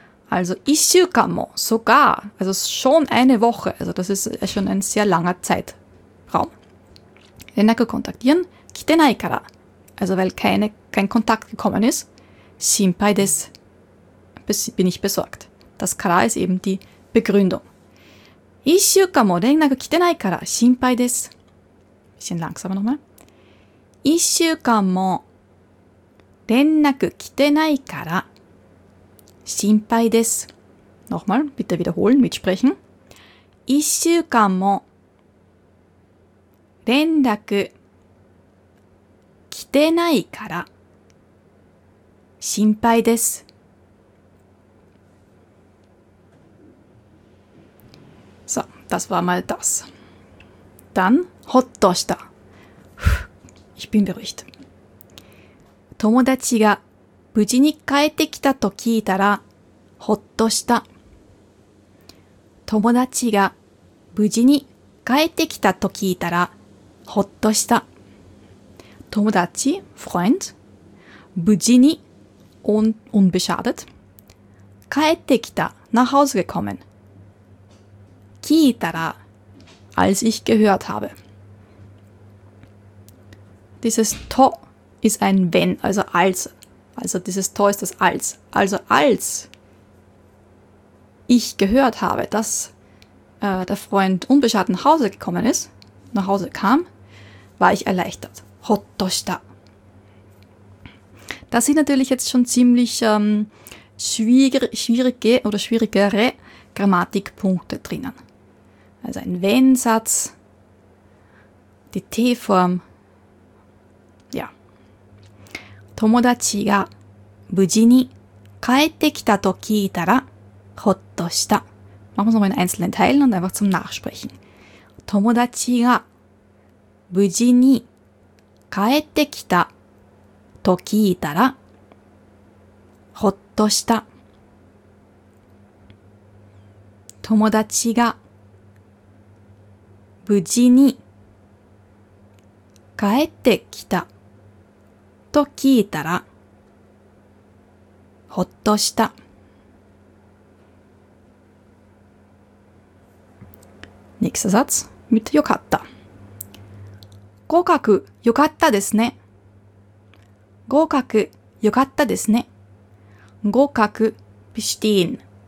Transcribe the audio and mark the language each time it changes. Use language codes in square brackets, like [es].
[de] Also, [ja] 1週間 mo, [de] sogar, also schon eine Woche, also das ist schon ein sehr langer Zeitraum. Renaku kontaktieren, [ja] てないから。 [de] Also weil kein Kontakt gekommen ist, [ja] 心配です。 [de] Bin ich besorgt. Das から ist eben die Begründung. [ja] 一週間も連絡来てないから心配です。 [de] Bisschen langsamer nochmal. [ja] 一週間も連絡来てないから心配です。 [de] Nochmal, bitte wiederholen, mitsprechen. [ja] 一週間も連絡来てないから心配です。 [de] So, das war mal das. Dann, [ja] ほっとした。 [de] Ich bin beruhigt. [ja] 友達が無事に帰ってきたと聞いたら、ほっとした。友達が無事に帰ってきたと聞いたら、ほっとした。友達、 [de] Freund、 [ja] 無事に、 [de] unbeschadet、 [ja] 帰ってきた、 [de] nach Hause gekommen。 [ja] 聞いたら、 [de] als ich gehört habe。 Dieses to ist ein wenn, also als. Also dieses to ist das als. Also als ich gehört habe, dass der Freund unbeschadet nach Hause gekommen ist, nach Hause kam, war ich erleichtert. [ja] Hotto shita. [de] Das sind natürlich jetzt schon ziemlich schwierige oder schwierigere Grammatikpunkte drinnen. Also ein Wenn-Satz, die T-Form, ja. [ja] 友達が無事に帰ってきたと聞いたらほっとした。 [de] Machen wir es nochmal in einzelnen Teilen und einfach zum Nachsprechen. [ja] 友達が無事に帰ってきたと聞いたらほっとした。友達が無事に帰ってきたと聞いたらほっとした。 [de] Nächster Satz mit [ja] よかった。合格よかったですね。合格よかったですね。合格 [de] bestehen。